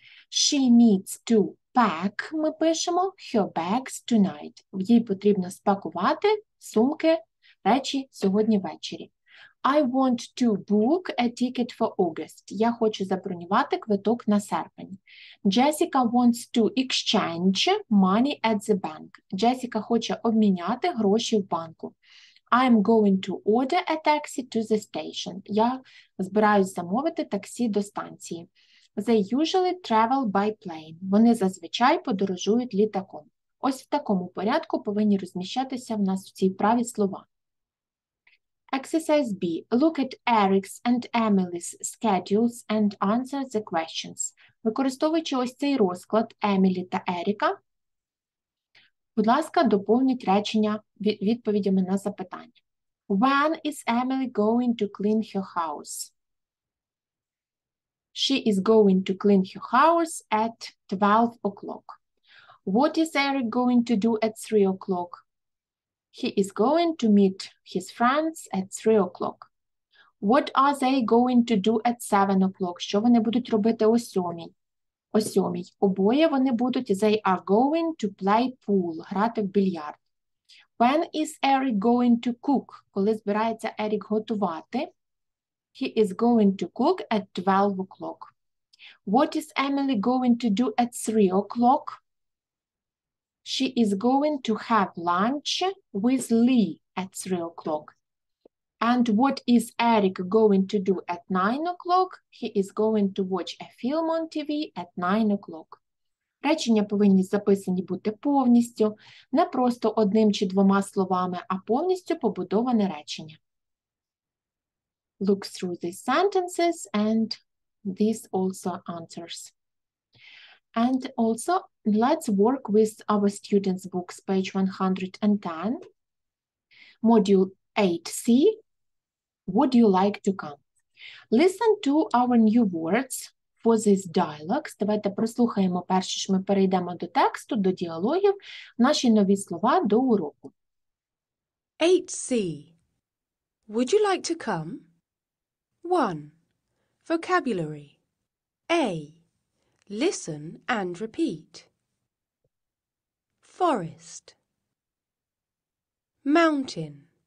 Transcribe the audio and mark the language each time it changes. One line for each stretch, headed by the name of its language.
English: She needs to pack,
Ukrainian: ми пишемо,
English: her bags tonight.
Ukrainian: Їй потрібно спакувати сумки, речі сьогодні ввечері.
English: I want to book a ticket for August.
Ukrainian: Я хочу забронювати квиток на серпень.
English: Jessica wants to exchange money at the bank.
Ukrainian: Jessica хоче обміняти гроші в банку.
English: I'm going to order a taxi to the station.
Ukrainian: Я збираюсь замовити таксі до станції.
English: They usually travel by plane.
Ukrainian: Вони зазвичай подорожують літаком. Ось в такому порядку повинні розміщатися в нас в цій праві слова.
English: Exercise B. Look at Eric's and Emily's schedules and answer the questions.
Ukrainian: Використовуючи ось цей розклад Емілі та Еріка, будь ласка, доповніть речення відповідями на запитання.
English: When is Emily going to clean her house? She is going to clean her house at 12 o'clock. What is Eric going to do at 3 o'clock? He is going to meet his friends at 3 o'clock. What are they going to do at 7 o'clock?
Ukrainian: Що вони будуть робити о 7? О 7. Обоє вони будуть,
English: they are going to play pool,
Ukrainian: грати в більярд.
English: When is Eric going to cook?
Ukrainian: Коли збирається Ерік готувати?
English: He is going to cook at 12 o'clock. What is Emily going to do at 3 o'clock? She is going to have lunch with Lee at 3 o'clock. And what is Eric going to do at 9 o'clock? He is going to watch a film on TV at 9 o'clock.
Ukrainian: Речення повинні записані бути повністю, не просто одним чи двома словами, а повністю побудоване речення.
English: Look through the sentences and these also answers. And also, let's work with our students' books, page 110, module 8C. Would you like to come? Listen to our new words for this dialogue.
Ukrainian: Давайте прослухаємо перш ніж ми перейдемо до тексту, до діалогів, наші нові слова до уроку.
English: 8C. Would you like to come? 1. Vocabulary. A. Listen and repeat. Forest. Mountain.